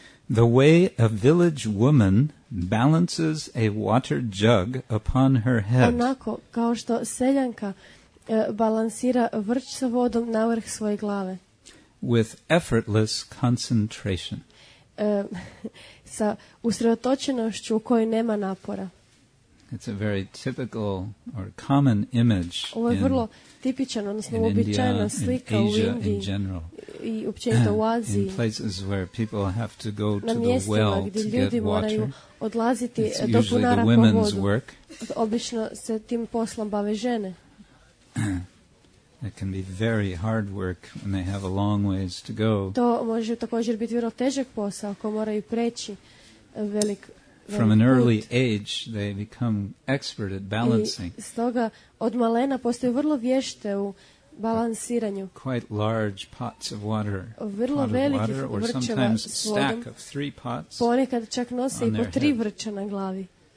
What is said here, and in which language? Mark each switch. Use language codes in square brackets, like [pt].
[en] The way a village woman balances a water jug upon her head. [hr] Onako kao što seljanka balansira vrč sa vodom na vrh svoje glave. [en] With effortless concentration. [hr] Sa usredotočenošću u kojoj nema napora. [en] It's a very typical or common image. [hr] Ovo je vrlo tipičan, odnosno uobičajena slika u Indiji i općenito u Aziji. [en] In places where people have to go to the well to get water. [hr] Na mjestima gdje ljudi moraju odlaziti do bunara po vodu. Obično se tim poslom bave žene. [en] It can be very hard work when they have a long ways to go. [hr] To može također biti vrlo težak posao ako moraju preći velik put. [en] From an early age they become expert at balancing. [hr] I stoga od malena postaju vrlo vješte u balansiranju. [en] Quite large pots of water. [hr] Vrlo veliki vrčeva s vodom. [en] Or sometimes stack of three pots. [hr] Ponekad čak nose i po tri vrča na glavi.